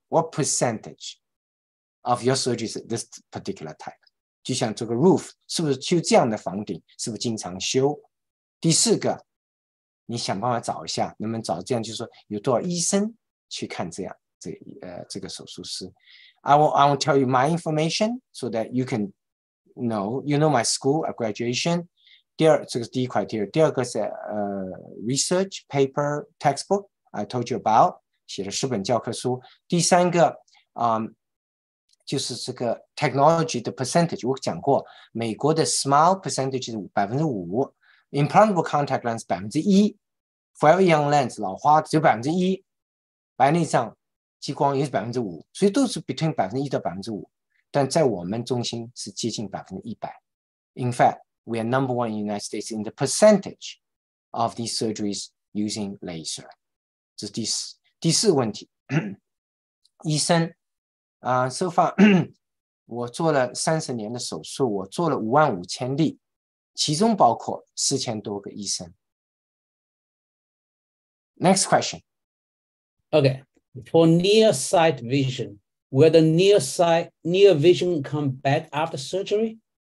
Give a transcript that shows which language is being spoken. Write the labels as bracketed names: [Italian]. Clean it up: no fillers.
[English] What percentage of your surgery is this particular type? [Chinese] 就像这个 roof 是不是修这样的房顶，是不是经常修。第四个，你想办法找一下能不能找这样，就是说有多少医生去看这样这个手术室。 [English] I will tell you my information so that you can know. You know my school, a graduation. [Chinese] 第二，这个是第一 [English] criteria. [Chinese] 第二个是 [English] research, paper, textbook I told you about. [Chinese] 写了十本教科书。第三个就是这个 technology 的 percentage. 我讲过美国的 smile percentage 是 5%， implantable contact lens 1%， forever young lens 老花只有 1%， 白内障激光也是 5%， 所以都是 between 1% 到 5%。但在我们中心是接近 100%。 [English] In fact, we are number one in the United States in the percentage of these surgeries using laser. [Chinese] 这是第四问题。医生、 [English] so far [Chinese] 我做了30年的手术，我做了55000例，其中包括4000多个医生。 [English] Next question. Okay, for near sight vision, will the near sight, near vision come back after surgery?